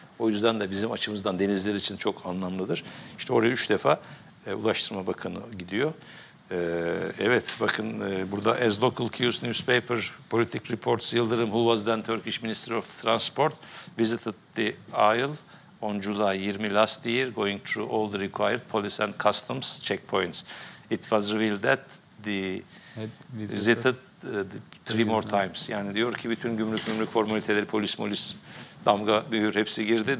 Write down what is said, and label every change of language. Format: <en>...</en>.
<tr>O yüzden de bizim açımızdan denizler için çok anlamlıdır. İşte oraya 3 defa Ulaştırma Bakanı gidiyor. Evet, bakın burada</tr> <en>as local Kyiv newspaper Politic Reports, Yıldırım, who was then Turkish Minister of Transport, visited the aisle on July 20 last year, going through all the required police and customs checkpoints. It was revealed that the visited three more times.</en> <tr>Yani diyor ki bütün gümrük formaliteleri, polis, damga, mühür hepsi girdi.</tr>